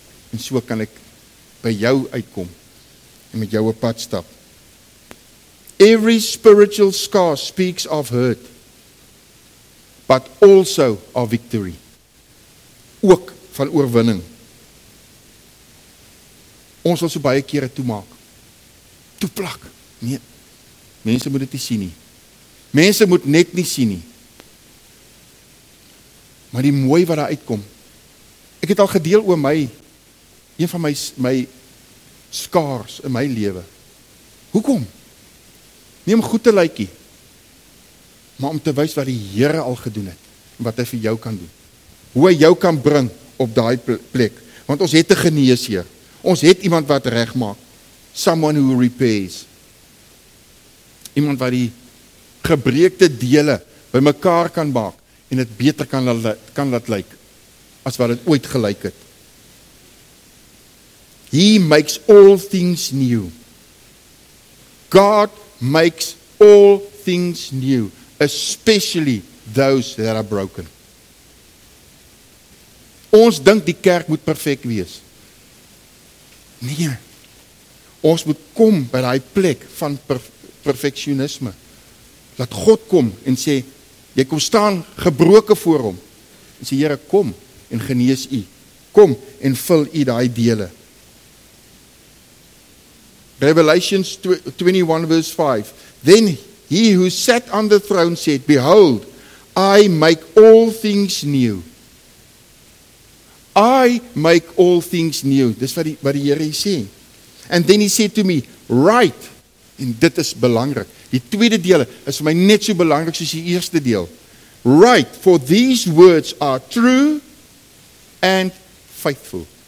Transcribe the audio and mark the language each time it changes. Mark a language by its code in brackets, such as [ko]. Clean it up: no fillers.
[af] En so kan ek by jou uitkom, en met jou op pad stap. [en] Every spiritual scar speaks of hurt, but also of victory. [af] Ook van oorwinning. Ons wil so baie kere toemaak. Toeplak. Nee, mense moet dit nie sien nie. Mense moet net nie sien nie. Maar die mooi wat daar uitkom. Ek het al gedeel oor my, een van my skaars in my lewe. Hoekom? Nie om goed te lykie, maar om te wys wat die Here al gedoen het, wat hy vir jou kan doen. Hoe hy jou kan bring op daai plek. Want ons het 'n geneesheer. Ons het iemand wat reg maak. [en] Someone who repairs. [af] Iemand wat die gebreekte dele by mekaar kan maak en het beter kan laat lyk as wat het ooit gelyk het. [en] He makes all things new. God makes all things new, especially those that are broken. [af] Ons dink die kerk moet perfek wees. Nee, ons moet kom by die plek van perfectionisme. Laat God kom en sê, jy kom staan gebroken voor hom. En sê, Here, kom en genees u. Kom en vul u die dele. [en] Revelations 21 verse 5. Then he who sat on the throne said, behold, I make all things new. I make all things new. [af] Dis wat die Here sê. [en] And then he said to me, write. [af] En dit is belangrik. Die tweede deel is vir my net so belangrik soos die eerste deel. [en] Write, for these words are true and faithful.